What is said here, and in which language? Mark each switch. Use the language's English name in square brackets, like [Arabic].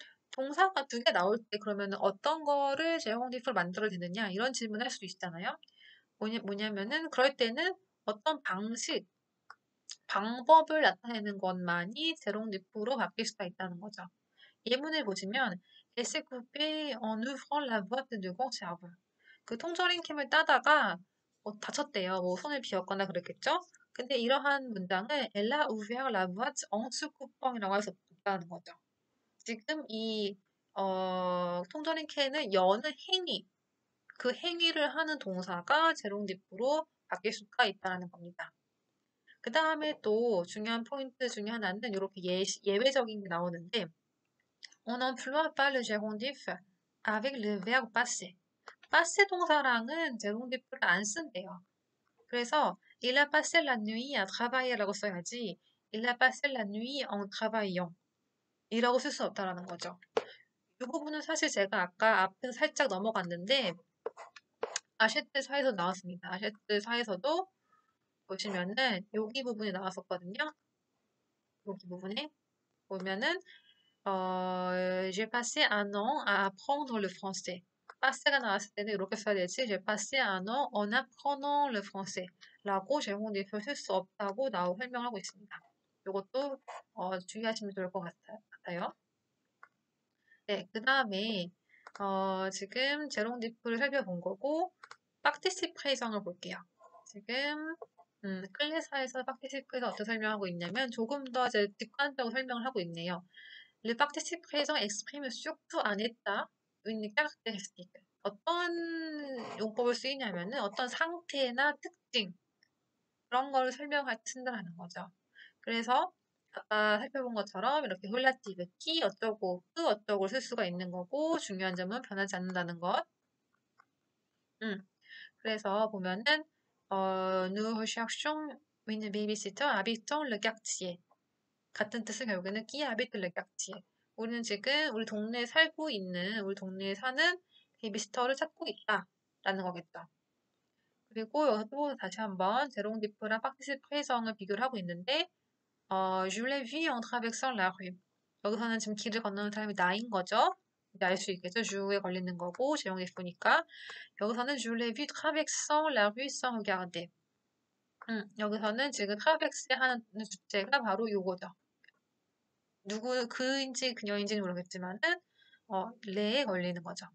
[Korean] 동사가 두개 나올 때 그러면 어떤 거를 제공디프로 만들어야 되느냐 이런 질문을 할 수도 있잖아요. 뭐냐면은 그럴 때는 어떤 방식, 방법을 나타내는 것만이 제공디프로 바뀔 수가 있다는 거죠. [French] 예문을 보시면 Elle s'est coupée en ouvrant la boîte de conserve. [Korean] 그 통조림 캠을 따다가 다쳤대요. 뭐 손을 비었거나 그랬겠죠? 근데 이러한 문장을 [French] Elle a ouvert la boîte en se coupant이라고 [Korean] 할수 없다는 거죠. 지금 이 통조림 캔을 여는 행위, 그 행위를 하는 동사가 제로디프로 바뀔 수가 있다는 겁니다. 그 다음에 또 중요한 포인트 중에 하나는 이렇게 예외적인 게 나오는데 [French] On n'emploie pas le gérondif avec le verbe passer. [Korean] passer 동사랑은 제로디프를 안 쓴대요. 그래서 [French] Il a passé la nuit à travailler라고 [Korean] 써야지 [French] Il a passé la nuit en travaillant. [Korean] 이라고 쓸수 없다라는 거죠. 이 부분은 사실 제가 아까 앞에 살짝 넘어갔는데 아쉐트 사에서 나왔습니다. 아쉐트 사에서도 보시면은 여기 부분에 나왔었거든요. 여기 부분에 보면은 [French] j'ai passé un an à apprendre le français. [Korean] passé가 나왔을 때는 이렇게 써야 되지. [French] j'ai passé un an en apprenant le français라고 [Korean] 제공되어 쓸수 없다고 나오고 설명하고 있습니다. 이것도 주의하시면 좋을 것 같아요. 네, 그 다음에 지금 제롱디프를 살펴본 거고 파티시페이션을 볼게요. 지금 클래사에서 파티시페이션 어떻게 설명하고 있냐면 조금 더 이제 직관적으로 설명을 하고 있네요. [French] Le participe présent exprime surtout un état, une caractéristique. [Korean] 어떤 용법을 쓰이냐면은 어떤 상태나 특징 그런 거를 설명할 쓴다는 거죠. 그래서 아까 살펴본 것처럼 이렇게 홀라티브 키 어쩌고 그 어쩌고 쓸 수가 있는 거고 중요한 점은 변하지 않는다는 것. 그래서 보면은 [French] nous recherchons une babysitter habitant le quartier [Korean] 같은 뜻은 결국에는 [French] qui habite le quartier. [Korean] 우리는 지금 우리 동네에 살고 있는 우리 동네에 사는 베이비시터를 찾고 있다라는 거겠죠. 그리고 여기서 또 다시 한번 제롱디프랑 파티시페이성을 비교를 하고 있는데. [French] Je l'ai vu en traversant la rue. [Korean] 여기서는 지금 길을 건너는 사람이 나인 거죠. 알수 있겠죠. 주에 걸리는 거고 제목이 보니까 여기서는 [French] Je l'ai vu traversant la rue sans regarder. [Korean] 여기서는 지금 traverse 하는 주제가 바로 요거죠. 누구 그인지 그녀인지는 모르겠지만은 레에 걸리는 거죠.